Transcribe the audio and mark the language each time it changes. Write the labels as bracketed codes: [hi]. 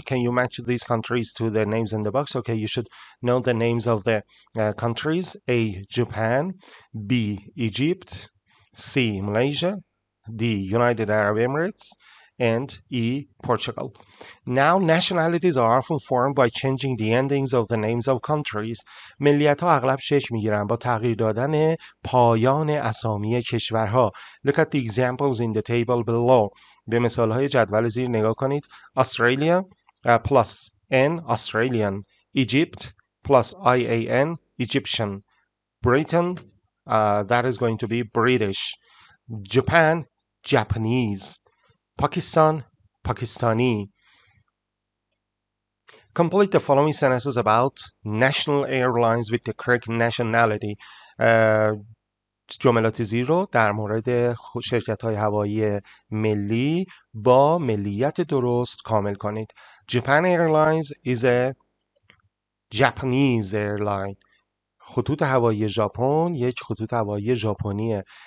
[en] Can you match these countries to the names in the box? Okay, you should know the names of the countries. A. Japan. B. Egypt. C. Malaysia. D. United Arab Emirates. And E. Portugal. Now, nationalities are often formed by changing the endings of the names of countries. [fa] ملیت‌ها اغلب شکل می‌گیرن با تغییر دادن پایان اسامی کشورها. [en] Look at the examples in the table below. [fa] به مثال‌های جدول زیر نگاه کنید. [en] Australia plus N Australian. Egypt plus IAN Egyptian. Britain that is going to be British. Japan Japanese. Pakistan, Pakistani. Complete the following sentences about national airlines with the correct nationality. [fa] جملات زیر رو در مورد شرکت‌های هوایی ملی با ملیت درست کامل کنید. [en] Japan Airlines is a Japanese airline. [fa] خطوط هوایی ژاپن یک خطوط هوایی ژاپنیه.